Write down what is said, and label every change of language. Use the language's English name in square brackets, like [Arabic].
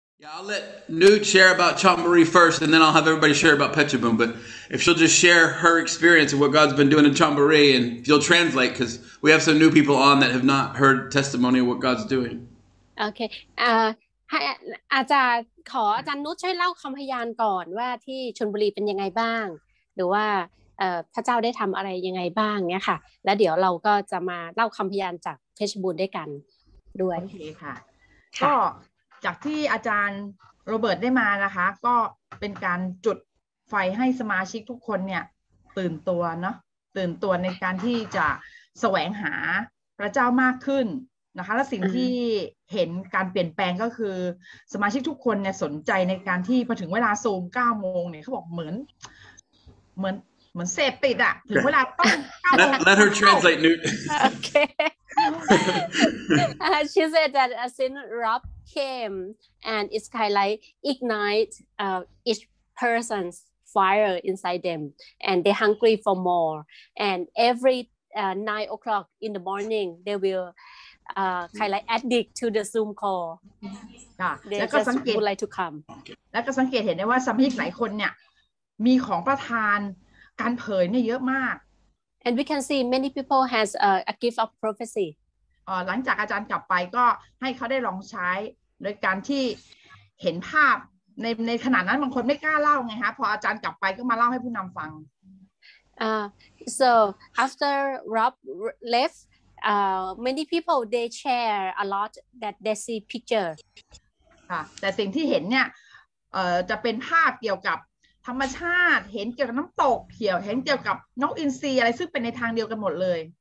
[English] Yeah, I'll let Newt share about Chantmarie first, and then I'll have everybody share about Petchaboom. But if she'll just share her experience of what God's been doing in Chantmarie, and if you'll translate, because we have some new people on that have not heard testimony of what God's doing. Okay. [Thai] ให้อาจารย์ขออาจารย์นุชช่วยเล่าคำพยานก่อนว่าที่ชลบุรีเป็นยังไงบ้างหรือว่าพระเจ้าได้ทำอะไรยังไงบ้างเนี้ยค่ะแล้วเดี๋ยวเราก็จะมาเล่าคำพยานจากเพชรบูรณ์ด้วยกันด้วย โอเคค่ะ ค่็จากที่อาจารย์โรเบิร์ตได้มานะคะก็เป็นการจุดไฟให้สมาชิกทุกคนเนี่ยตื่นตัวเนาะตื่นตัวในการที่จะแสวงหาพระเจ้ามากขึ้นนะคะและสิ่งที่เห็นการเปลี่ยนแปลงก็คือสมาชิกทุกคนเนี่ยสนใจในการที่พอถึงเวลาซูม9โมงเนี่ยเขาบอกเหมือนเสพติดอะถึงเวลาต้อง9โมง [English] Let her translate Newt Okay she said that as soon Rob came and it's kind of like ignite each person's fire inside them and they're hungry for more and every 9 o'clock in the morning they willwill kind of like addict to the Zoom call they just would like to come [Thai] แล้วก็สังเกตเห็นได้ว่าสมาชิกหลายคนเนี่ยมีของประทานการเผยเนี่ยเยอะมาก [English] and we can see many people has a gift of prophecy [Thai] หลังจากอาจารย์กลับไปก็ให้เขาได้ลองใช้โดยการที่เห็นภาพในขณะนั้นบางคนไม่กล้าเล่าไงฮะพออาจารย์กลับไปก็มาเล่าให้ผู้นำฟัง [English] So after Rob left, many people they share a lot that they see picture. [Thai] แต่สิ่งที่เห็นเนี่ยจะเป็นภาพเกี่ยวกับธรรมชาติเห็นเกี่ยวกับน้ำตกเขียวเห็นเกี่ยวกับนกอินทรีอะไรซึ่งเป็นในทางเดียวกันหมดเลย